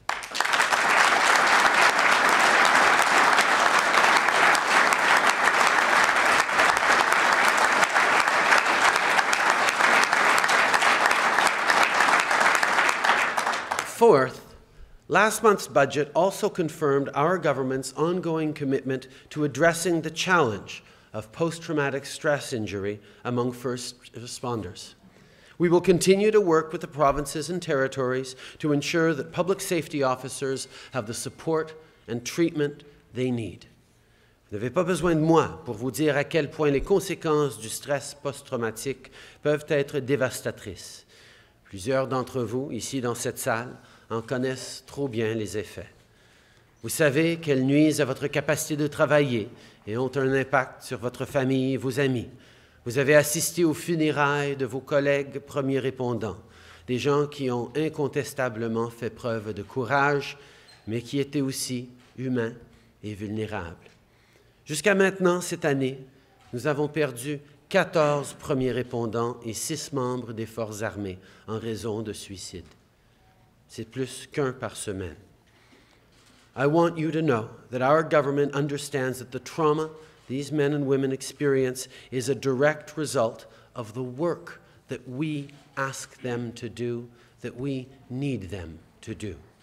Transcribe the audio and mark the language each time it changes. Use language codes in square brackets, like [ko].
[en] Fourth, last month's budget also confirmed our government's ongoing commitment to addressing the challenge of post-traumatic stress injury among first responders. We will continue to work with the provinces and territories to ensure that public safety officers have the support and treatment they need. [fr] Vous n'avez pas besoin de moi pour vous dire à quel point les conséquences du stress post-traumatique peuvent être dévastatrices. Plusieurs d'entre vous, ici dans cette salle, en connaissent trop bien les effets. Vous savez qu'elles nuisent à votre capacité de travailler et ont un impact sur votre famille et vos amis. Vous avez assisté aux funérailles de vos collègues premiers répondants, des gens qui ont incontestablement fait preuve de courage, mais qui étaient aussi humains et vulnérables. Jusqu'à maintenant, cette année, nous avons perdu 14 premiers répondants et 6 membres des forces armées en raison de suicides. C'est plus qu'un par semaine. [en] I want you to know that our government understands that the trauma these men and women experience is a direct result of the work that we ask them to do, that we need them to do.